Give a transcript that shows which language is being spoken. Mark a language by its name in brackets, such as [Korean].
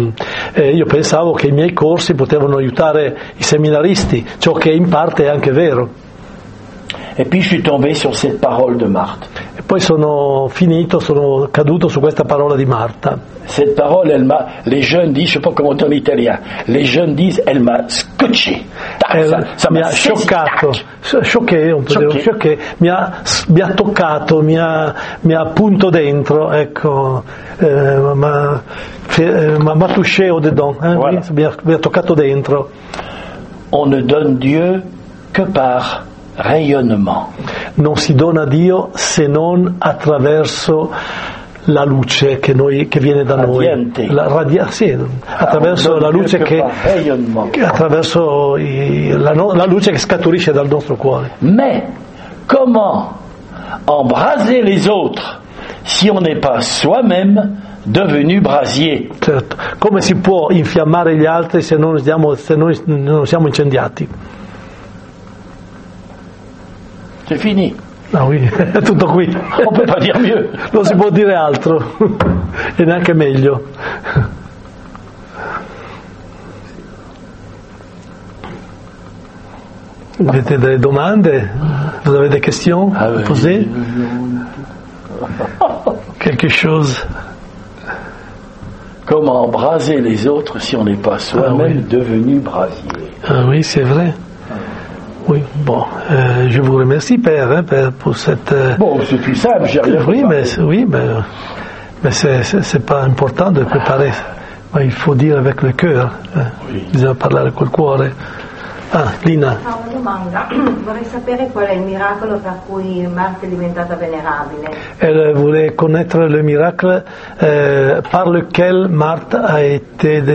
[Italian] Io pensavo che i miei corsi potevano aiutare i seminaristi, ciò che in parte è anche vero. [French] Et puis je suis tombé sur cette parole de Marthe. [Italian] E poi sono caduto su questa parola di Marta. [French] Cette parole, elle m'a, les jeunes disent, je sais pas comment dire en italien, les jeunes disent, elle m'a scotché. [Italian] Mi ha toccato dentro. [French] On ne donne Dieu que par rayonnement. [Italian] Non si dona a Dio se non attraverso la luce che scaturisce dal nostro cuore. [French] Mais comment embraser les autres si on n'est pas soi-même devenu brasier? [Italian] Certo. Come si può infiammare gli altri se non siamo incendiati? [French] C'est fini. [Italian] Ah oui, è tutto qui. [French] On peut pas dire mieux. [Italian] Non si può dire altro. E neanche meglio. Avete delle domande? [French] Vous avez des questions? Posez. Quelque chose. Comment embraser les autres si on n'est pas soi-même devenu brasier? Ah oui, c'est vrai. Oui, bon, je vous remercie Père, pour cette... Bon, c'est plus simple, j'ai rien fait. Mais c'est pas important de préparer, mais il faut dire avec le cœur, oui. [Italian] Bisogna parlare col cuore. Ah, Lina. Ho una domanda, vorrei sapere qual è il miracolo per cui Marta è diventata venerabile. [French] Elle voulait connaître le miracle par lequel Marta a été...